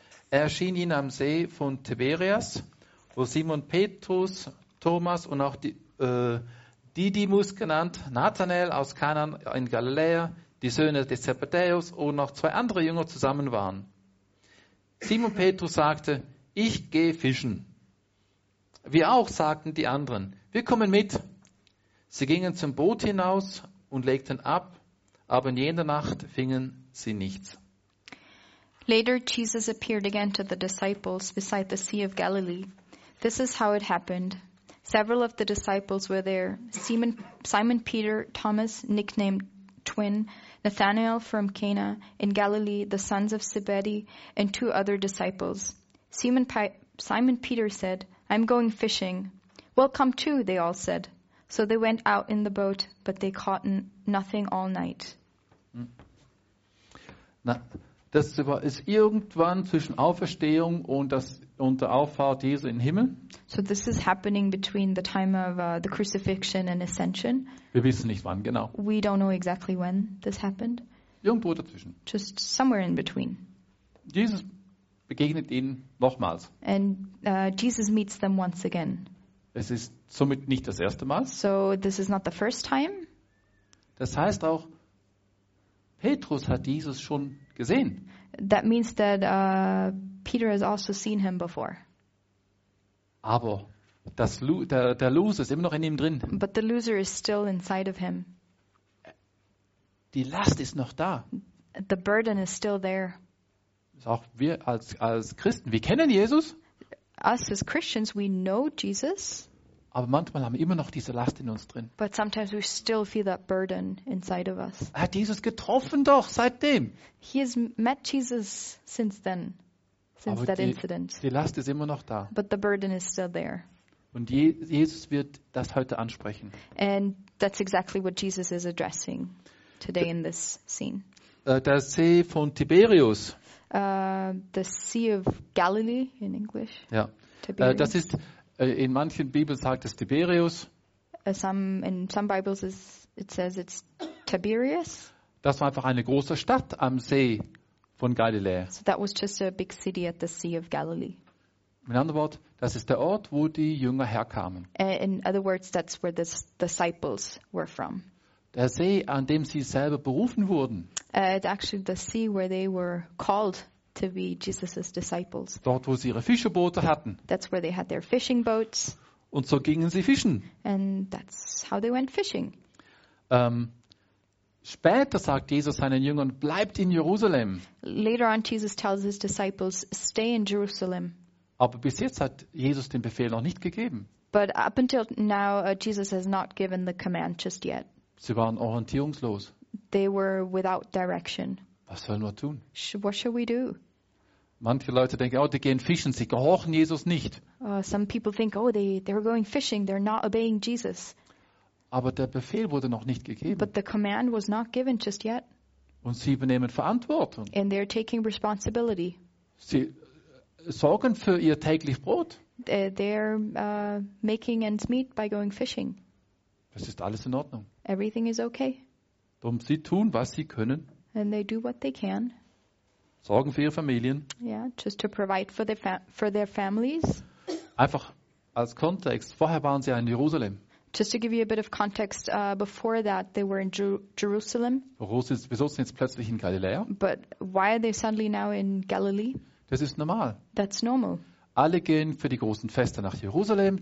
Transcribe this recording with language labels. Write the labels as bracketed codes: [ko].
[de] Er erschien ihnen am See von Tiberias, wo Simon Petrus, Thomas und auch Didymus genannt, Nathanael aus Kana in Galiläa, die Söhne des Zebedäus und noch zwei andere Jünger zusammen waren. Simon Petrus sagte: Ich gehe fischen. Wir auch, sagten die anderen. Wir kommen mit. Sie gingen zum Boot hinaus und legten ab, aber in jener Nacht fingen sie nichts. [en] Later Jesus appeared again to the disciples beside the Sea of Galilee. This is how it happened. Several of the disciples were there. Simon Peter, Thomas, nicknamed Twin, Nathanael from Cana in Galilee, the sons of Zebedee, and two other disciples. Simon Peter said, I'm going fishing. Well, come too, they all said. So they went out in the boat, but they caught nothing all night. [de] Na, das ist irgendwann zwischen Auferstehung und der Auffahrt Jesu in den Himmel. [en] So this is happening between the time of the crucifixion and ascension. [de] Wir wissen nicht wann, genau. [en] We don't know exactly when this happened. [de] Irgendwo dazwischen. [en] Just somewhere in between. [de] Jesus begegnet ihnen nochmals. [en] And Jesus meets them once again. [de] Es ist somit nicht das erste Mal. [en] So this is not the first time. [de] Das heißt auch, Petrus hat Jesus schon gesehen. [en] That means that Peter has also seen him before. [de] Aber der Loser ist immer noch in ihm drin. [en] But the loser is still inside of him. [de] Die Last ist noch da. [en] The burden is still there. [de] Auch wir als Christen, wir kennen Jesus. [en] Us as Christians, we know Jesus. [de] Aber manchmal haben wir immer noch diese Last in uns drin. [en] But sometimes we still feel that burden inside of us. [de] Er hat Jesus getroffen doch seitdem. [en] He has met Jesus since then, since [de] Aber [en] that [de] die, [en] incident. [de] Die Last ist immer noch da. [en] But the burden is still there. [de] Und Jesus wird das heute ansprechen. [en] And that's exactly what Jesus is addressing today in this scene. [de] Der See von Tiberius. [en] The Sea of Galilee in English. Ja. [de] Das ist in manchen Bibeln sagt es Tiberius. [en] In some Bibles it says it's Tiberius. [de] Das war einfach eine große Stadt am See von Galiläa. [en] So that was just a big city at the Sea of Galilee. [de] In anderen Worten, das ist der Ort, wo die Jünger herkamen. [en] In other words, that's where the disciples were from. [de] Der See, an dem sie selber berufen wurden. [en] It's actually the sea where they were called to be Jesus' disciples. [de] Dort, wo sie ihre Fischerboote hatten. [en] That's where they had their fishing boats. [de] Und so gingen sie fischen. [en] And that's how they went fishing. [de] Später sagt Jesus seinen Jüngern, bleibt in Jerusalem. [en] Later on, Jesus tells his disciples, stay in Jerusalem. [de] Aber bis jetzt hat Jesus den Befehl noch nicht gegeben. [en] But up until now, Jesus has not given the command just yet. [de] Sie waren orientierungslos. [en] They were without direction. [de] Was sollen wir tun? [en] What shall we do? [de] Manche Leute denken, oh, die gehen fischen, sie gehorchen Jesus nicht. [en] Some people think, oh, they're going fishing, they're not obeying Jesus. [de] Aber der Befehl wurde noch nicht gegeben. [en] But the command was not given just yet. [de] Und sie übernehmen Verantwortung. [en] And they're taking responsibility. [de] Sie sorgen für ihr tägliches Brot. [en] They're making ends meet by going fishing. [de] Das ist alles in Ordnung. [en] Everything is okay. [de] Darum, sie tun, was sie können. [en] And they do what they can. [de] Sorgen für ihre Familien. [en] Yeah, just to provide for their families. [de] Einfach als Kontext. Vorher waren sie in Jerusalem. [en] Just to give you a bit of context, before that they were in Jerusalem. [de] Wieso sind jetzt plötzlich in Galiläa? [en] But why are they suddenly now in Galilee? [de] Das ist normal. [en] That's normal. [de] Alle gehen für die großen Feste nach Jerusalem.